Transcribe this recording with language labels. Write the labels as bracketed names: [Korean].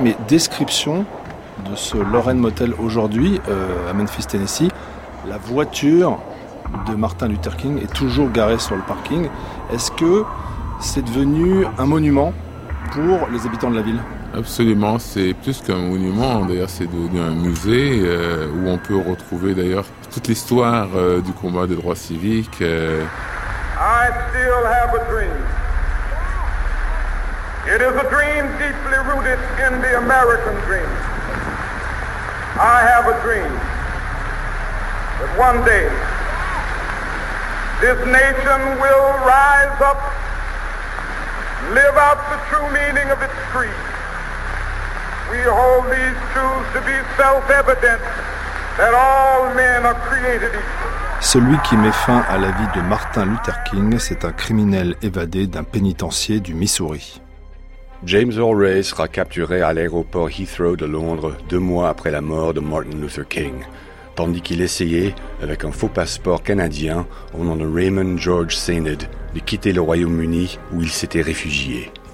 [French] Mais description de ce Lorraine Motel aujourd'hui à Memphis, Tennessee, la voiture de Martin Luther King est toujours garée sur le parking. Est-ce que c'est devenu un monument pour les habitants de la ville. Absolument, c'est plus qu'un monument, d'ailleurs c'est devenu un musée où on peut retrouver d'ailleurs toute l'histoire du combat des droits civiques. [English] I still have a dream. It is a dream deeply rooted in the American dream. I have a dream that one day this nation will rise up, live out the true meaning of its creed. We hold these truths to be self-evident that all men are created equal. [French] Celui qui met fin à la vie de Martin Luther King, c'est un criminel évadé d'un pénitencier du Missouri. James Earl Ray sera capturé à l'aéroport Heathrow de Londres 2 mois après la mort de Martin Luther King, tandis qu'il essayait, avec un faux passeport canadien au nom de Raymond George Sainted, de quitter le Royaume-Uni où il s'était réfugié.